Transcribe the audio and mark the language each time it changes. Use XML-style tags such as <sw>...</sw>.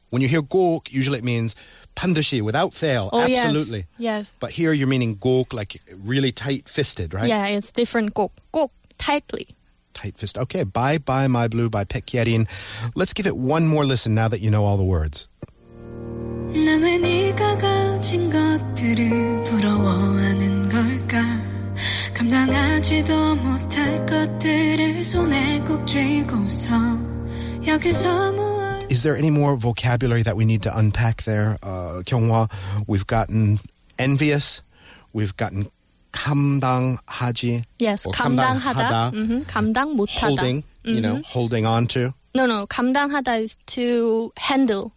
<en>When you hear 꼭, usually it means</en> <ko>반드시,</ko> <en>without fail, oh, absolutely. Yes. But here you're meaning 꼭, like really tight-fisted, right? Yeah, it's different 꼭. 꼭, tightly. Tight fist. Okay, Bye Bye My Blue by Baek Ye-rin. Let's give it one more listen now that you know all the words.</en> <ko>난 왜 네가 가진 것들을 부러워하는 걸까? 감당하지도 못할 것들을 손에 꼭 쥐고서 여기서 무</ko> <en>Is there any more vocabulary that we need to unpack there, Kyung-hwa? We've gotten envious. We've gotten 감당하지. Yes,</en> <ko>감당하다. 감당 못하다.</ko> <en>Holding, mm-hmm. you know, holding on to. No, no. 감당하다 is to handle.</en>